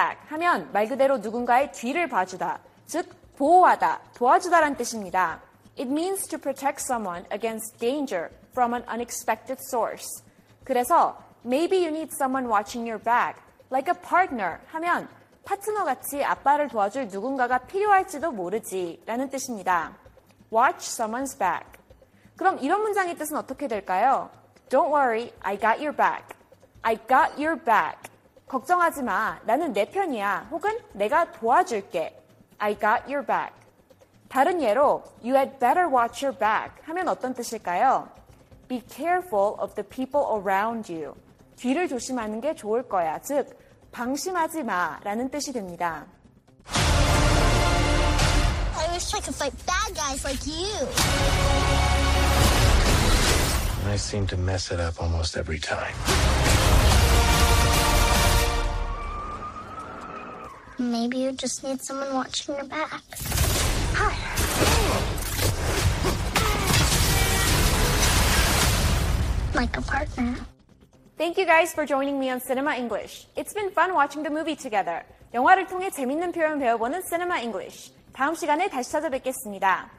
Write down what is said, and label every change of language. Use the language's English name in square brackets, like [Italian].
[Korean] 하면 말 그대로 누군가의 뒤를 봐주다, 즉 보호하다, 도와주다란 뜻입니다. [English] It means to protect someone against danger from an unexpected source. [Korean] 그래서 [English] maybe you need someone watching your back, like a partner [Korean] 하면 파트너같이 아빠를 도와줄 누군가가 필요할지도 모르지 라는 뜻입니다. [English] Watch someone's back. [Korean] 그럼 이런 문장의 뜻은 어떻게 될까요? [English] Don't worry, I got your back. I got your back. [Korean] 걱정하지 마, 나는 내 편이야. 혹은 내가 도와줄게. [English] I got your back. [Korean] 다른 예로, [English] You had better watch your back [Korean] 하면 어떤 뜻일까요? [English] Be careful of the people around you. [Korean] 뒤를 조심하는 게 좋을 거야. 즉, 방심하지 마 라는 뜻이 됩니다. [English] I wish I could fight bad guys like you. I seem to mess it up almost every time. Maybe you just need someone watching your back. Hi. Like a partner. Thank you guys for joining me on Cinema English. It's been fun watching the movie together. [Korean] 영화를 통해 재밌는 표현 배워보는 Cinema English. 다음 시간에 다시 찾아뵙겠습니다.